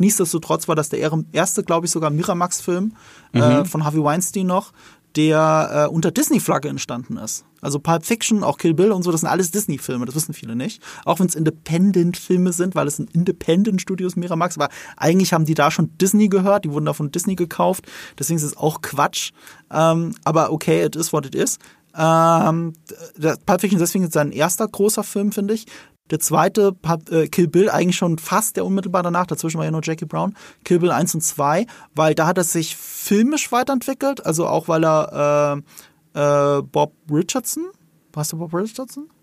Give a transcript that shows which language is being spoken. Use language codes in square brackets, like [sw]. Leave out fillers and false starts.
[de] Nichtsdestotrotz war das der erste, glaube ich, sogar Miramax-Film von Harvey Weinstein noch, der unter Disney-Flagge entstanden ist. Also Pulp Fiction, auch Kill Bill und so, das sind alles Disney-Filme, das wissen viele nicht. Auch wenn es Independent-Filme sind, weil es ein Independent-Studios Miramax war. Eigentlich haben die da schon Disney gehört, die wurden da von Disney gekauft. Deswegen ist es auch Quatsch. Aber okay, [en] it is what it is. [de] Pulp Fiction deswegen ist sein erster großer Film, finde ich. Der zweite, Kill Bill, eigentlich schon fast der unmittelbar danach, dazwischen war ja nur Jackie Brown, Kill Bill 1 und 2, weil da hat er sich filmisch weiterentwickelt, also auch weil er Bob Richardson, weißt du Bob Richardson?